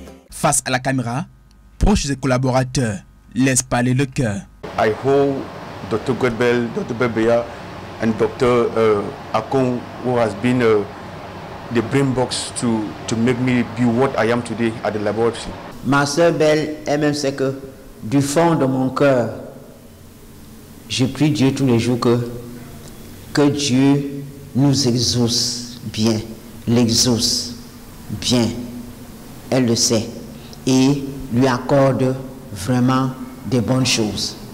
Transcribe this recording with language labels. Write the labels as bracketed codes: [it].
[fr] Face à la caméra, proche des collaborateurs, laisse parler le cœur. [en] I hope Dr. Godbell, Dr. Bebeya, and Dr. Akon, who has been the brain box to make me be what I am today at the laboratory. [fr] Ma sœur belle, elle-même sait que du fond de mon cœur, je prie Dieu tous les jours que Dieu nous exauce bien, l'exauce bien, elle le sait, et lui accorde vraiment des bonnes choses.